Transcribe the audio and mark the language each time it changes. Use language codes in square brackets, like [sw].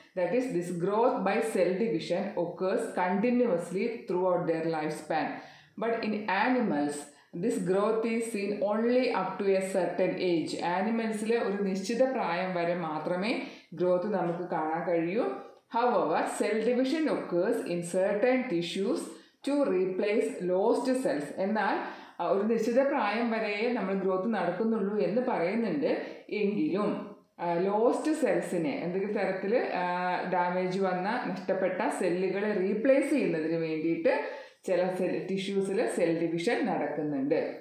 [en] That is this growth by cell division occurs continuously throughout their life span. But in animals this growth is seen only up to a certain age. [ml] ആനിമൽസിലെ ഒരു നിശ്ചിത പ്രായം വരെ മാത്രമേ growth നമുക്ക് കാണാൻ കഴിയൂ. [en] However, cell division occurs in certain tissues to replace lost cells. [ml] എന്നാൽ ഒരു നിശ്ചിത പ്രായം വരെയേ നമ്മൾ ഗ്രോത്ത് നടക്കുന്നുള്ളൂ എന്ന് പറയുന്നുണ്ട്. എങ്കിലും ലോസ്റ്റ് സെൽസിനെ, എന്തെങ്കിലും തരത്തിൽ ഡാമേജ് വന്ന നഷ്ടപ്പെട്ട സെല്ലുകളെ റീപ്ലേസ് ചെയ്യുന്നതിന് വേണ്ടിയിട്ട് ചില സെൽ ടിഷ്യൂസിൽ സെൽ ഡിവിഷൻ നടക്കുന്നുണ്ട്.